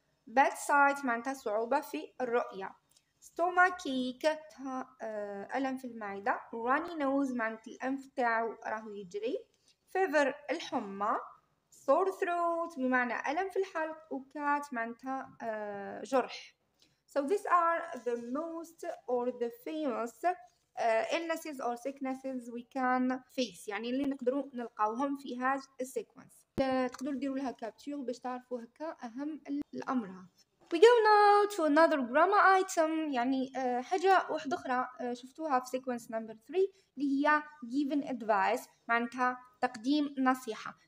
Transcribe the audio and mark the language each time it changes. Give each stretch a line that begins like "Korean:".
English: Bad sight
Arabic: معناتها صعوبة في الرؤية. Stomachache ألم في المعدة.
English: Runny nose
Arabic: معناتها الأنف تاعو راهو يجري. Fever الحمى.
English: Sore throat
Arabic: بمعنى ألم في الحلق. وكات معناتها جرح.
English: So these are the most or the famous illnesses or sicknesses we can face.
Arabic: يعني اللي نقدروا نلقاوهم في هذا السيكونس. تقدروا ديروا لها كابتشور باش تعرفوا هكا أهم الأمراض.
English: We go now to another grammar item.
Arabic: يعني حاجة واحدة أخرى شفتوها في
English: sequence number 3
Arabic: اللي هي
English: giving advice
Arabic: معناتها تقديم نصيحة.